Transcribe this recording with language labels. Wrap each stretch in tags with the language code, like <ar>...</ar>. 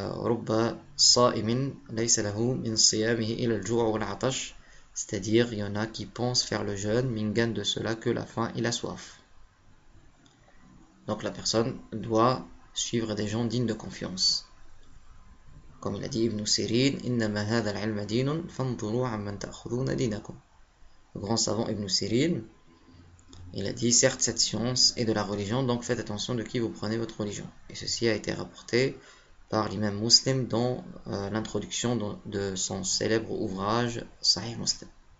<ar>رب صائم ليس له من صيامه إلا الجوع والعطش</ar> <fr>c'est-à-dire il y en a qui pensent faire le jeûne mais ne gagnent de cela que la faim et la soif. Donc la personne doit suivre des gens dignes de confiance. Comme il a dit Ibn Sirin,</fr> <ar>إنما هذا العلم دين فانظروا عمن تأخذون دينكم.</ar> <fr>Le grand savant Ibn Sirin, il a dit certes cette science est de la religion donc faites attention de qui vous prenez votre religion. Et ceci a été rapporté par l'imam Muslim dans l'introduction de son célèbre ouvrage Sahih Muslim.</fr>